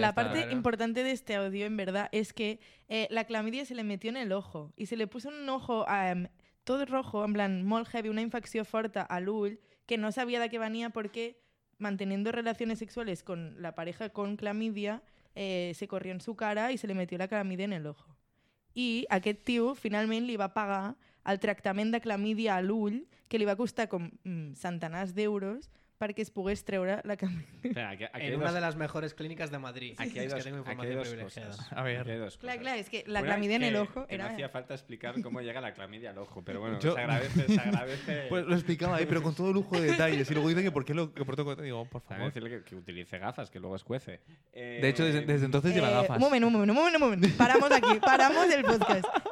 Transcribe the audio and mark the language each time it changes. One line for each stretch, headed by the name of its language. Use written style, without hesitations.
Spanish: La parte importante de este audio, en verdad, es que la clamidia se le metió en el ojo. Y se le puso un ojo a... Todo rojo, en plan,
Catalan: molt heavy,
Spanish: una infección
Catalan: forta
Spanish: a Lul, que no sabía de qué venía porque manteniendo relaciones sexuales con la pareja con clamidia, se corrió en su cara y se le metió la clamidia en el ojo.
Catalan: Y aquest tio finalment li va pagar el tractament de clamidia a Lul, que li va costar com centenars d'euros perquè es pogués treure la clamidia. En una de les millors clíniques de Madrid.
Spanish: Aquí hay dos cosas. A ver.
Catalan: Clar, és que la clamidia
Spanish: en el ojo... No hacía falta explicar cómo llega la clamidia al ojo, pero bueno, se agradece... Pues lo explicaba ahí, pero con todo lujo de detalles. Y luego dice que por qué lo porto con... Digo, por favor. Decirle que utilice gafas, que luego escuece. De hecho, desde entonces lleva gafas. Un momento. Paramos aquí, paramos el podcast.